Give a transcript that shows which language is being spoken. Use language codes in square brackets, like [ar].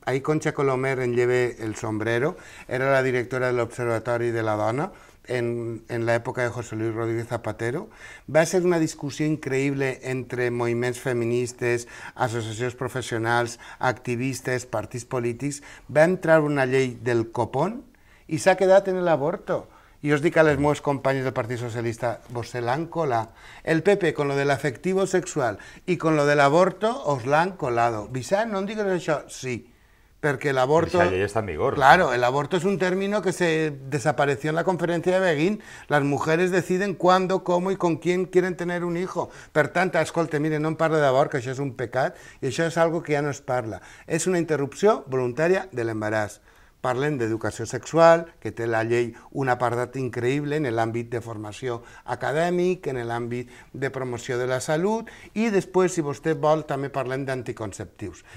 [ca] Ahir Concha Colomer en lleve el sombrero, era la directora de l'Observatori de la Dona en l'època de José Luis Rodríguez Zapatero. Va ser una discussió increïble entre moviments feministes, associacions professionals, activistes, partits polítics. Va entrar una llei del copón i s'ha quedat en l'aborto. I us dic a les meves companyes del Partit Socialista, vostè l'han colat. [es] El PP, con lo de l'afectivo sexual i con lo de l'aborto, os l'han colado. [ca] Vicent, no em digues això? Sí. Perquè l'aborto... Esa llei està en vigor. [es] Claro, el aborto es un término que se desapareció en la conferència de Beguín. Las mujeres deciden cuándo, cómo y con quién quieren tener un hijo. [ca] Per tant, escolte, mire, no em parlo d'abort, que això és un pecat, i això és algo que ja no es parla. És una interrupció voluntària de l'embaràs. Parlem d'educació sexual, que té la llei un apartat increïble en l'àmbit de formació acadèmic, en l'àmbit de promoció de la salut, i després, si vostè vol, també parlem d'anticonceptius.